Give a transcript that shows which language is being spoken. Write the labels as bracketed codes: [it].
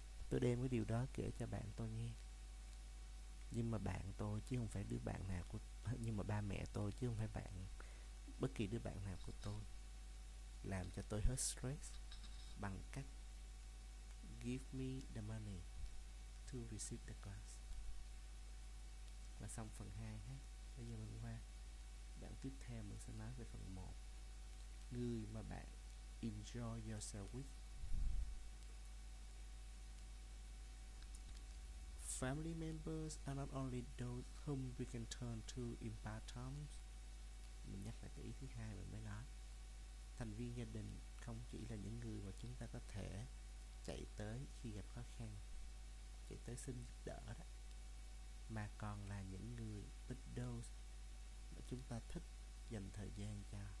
[vi] Tôi đem cái điều đó kể cho bạn tôi nghe, nhưng mà bạn tôi chứ không phải đứa bạn nào của, nhưng mà ba mẹ tôi chứ không phải bạn, bất kỳ đứa bạn nào của tôi, làm cho tôi hết stress bằng cách [en] give me the money to receive the class. [vi] Và xong phần 2 ha. Bây giờ mình qua đoạn tiếp theo, mình sẽ nói về phần 1, người mà bạn [en] enjoy yourself with. Family members are not only those whom we can turn to in bad times. [vi] Mình nhắc lại cái ý thứ hai mình mới nói. Thành viên gia đình không chỉ là những người mà chúng ta có thể chạy tới khi gặp khó khăn, chạy tới xin giúp đỡ đó, mà còn là những người [en] with those [vi] mà chúng ta thích dành thời gian cho.